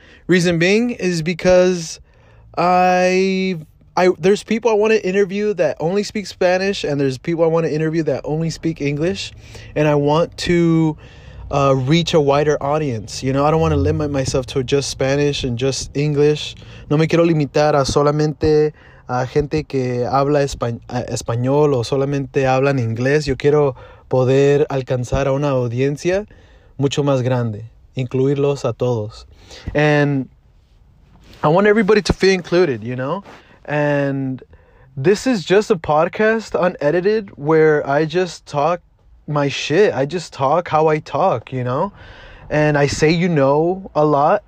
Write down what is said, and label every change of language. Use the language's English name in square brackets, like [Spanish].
[English] Reason being is because there's people I want to interview that only speak Spanish, and there's people I want to interview that only speak English, and I want to reach a wider audience. You know, I don't want to limit myself to just Spanish and just English. [Spanish] No me quiero limitar a solamente a gente que habla español o solamente hablan inglés. Yo quiero poder alcanzar a una audiencia mucho más grande, incluirlos a todos. [English] And I want everybody to feel included, you know? And this is just a podcast unedited where I just talk my shit. I just talk how I talk, you know, and I say, you know, a lot.